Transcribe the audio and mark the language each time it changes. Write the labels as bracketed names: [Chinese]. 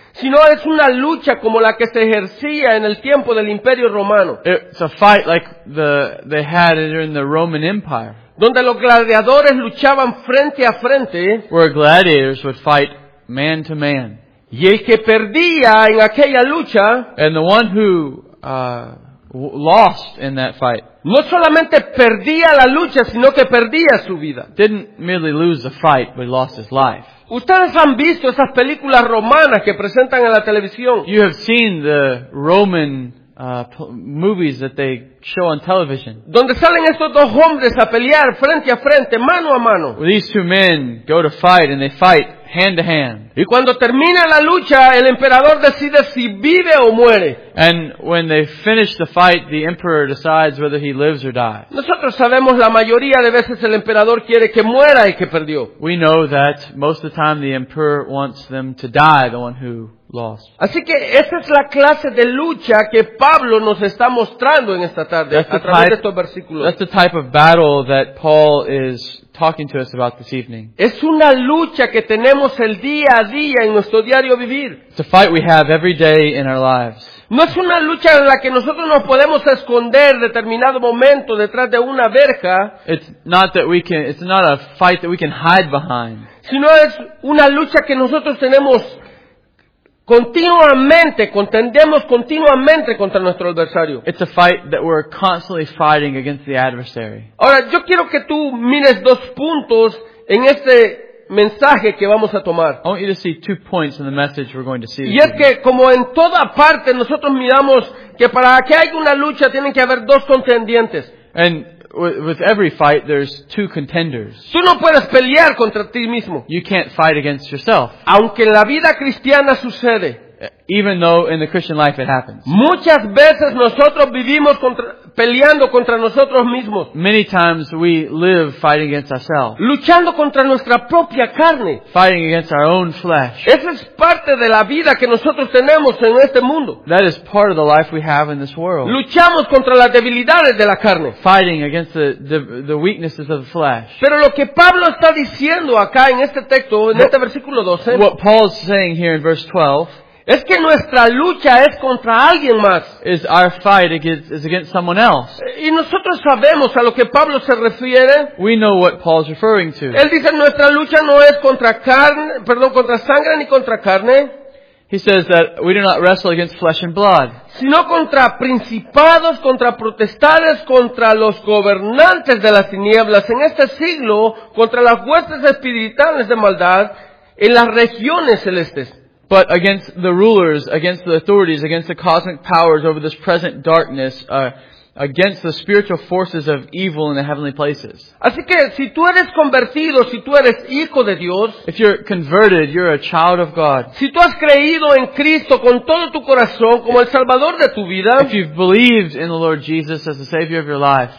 [Spanish] Sino es una lucha como la que se ejercía en el tiempo del Imperio Romano. [English] It's a fight like they had during the Roman Empire. [Spanish] Donde los gladiadores luchaban frente a frente. [English] Where gladiators would fight man to man. [Spanish] Y el que perdía en aquella lucha. [English] And the one who lost in that fight. [Spanish] No solamente perdía la lucha, sino que perdía su vida. [English] Didn't merely lose the fight, but lost his life. [Spanish] Ustedes han visto esas películas romanas que presentan en la televisión. [English] You have seen the Roman movies that they show on television. [Spanish] Donde salen estos dos hombres a pelear frente a frente, mano a mano. [English] Where these two men go to fight and they fight hand to hand. [Spanish] Y cuando termina la lucha, el emperador decide si vive o muere. [English] And when they finish the fight, the emperor decides whether he lives or dies. [Spanish] Nosotros sabemos la mayoría de veces el emperador quiere que muera el que perdió. [English] We know that most of the time the emperor wants them to die, the one who lost. [Spanish] Así que esa es la clase de lucha que Pablo nos está mostrando en esta tarde a través de estos versículos. [English] That's the type of battle that Paul is talking to us about this evening. [Spanish] Es una lucha que tenemos el día a día en nuestro diario vivir. [English] It's a fight we have every day in our lives. [Spanish] No es una lucha en la que nosotros nos podemos esconder determinado momento detrás de una verja. [English] It's not a fight that we can hide behind. [Spanish] Sino es una lucha que nosotros tenemos continuamente, contendemos continuamente contra nuestro adversario. [English] It's a fight that we're constantly fighting against the adversary. [Spanish] Ahora, yo quiero que tú mires dos puntos en este mensaje que vamos a tomar. [English] I want you to see two points in the message we're going to see. [Spanish] Y es que, como en toda parte, nosotros miramos que para que haya una lucha tienen que haber dos contendientes. [English] And with every fight, there's two contenders. [Spanish] Tú no puedes pelear contra ti mismo. [English] You can't fight against yourself. [Spanish] Aunque en la vida cristiana sucede. [English] Even though in the Christian life it happens. [Spanish] Muchas veces nosotros vivimos peleando contra nosotros mismos. [English] Many times we live fighting against ourselves. [Spanish] Luchando contra nuestra propia carne. [English] Fighting against our own flesh. [Spanish] Esa es parte de la vida que nosotros tenemos en este mundo. [English] That is part of the life we have in this world. [Spanish] Luchamos contra las debilidades de la carne. [English] Fighting against the weaknesses of the flesh. [Spanish] Pero lo que Pablo está diciendo acá en este texto, en este versículo 12. [English] What Paul is saying here in verse 12. [Spanish] Es que nuestra lucha es contra alguien más. [English] Is our fight against someone else. [Spanish] Y nosotros sabemos a lo que Pablo se refiere. [English] We know what Paul's referring to. [Spanish] Él dice nuestra lucha no es contra sangre ni contra carne. [English] He says that we do not wrestle against flesh and blood. [Spanish] Sino contra principados, contra potestades, contra los gobernantes de las tinieblas en este siglo, contra las huestes espirituales de maldad en las regiones celestes. [English] But against the rulers, against the authorities, against the cosmic powers over this present darkness, against the spiritual forces of evil in the heavenly places. [Spanish] Así que si tú eres convertido, si tú eres hijo de Dios, [English] if you're converted, you're a child of God. [Spanish] Si tú has creído en Cristo con todo tu corazón como el Salvador de tu vida, [English] if you've believed in the Lord Jesus as the Savior of your life,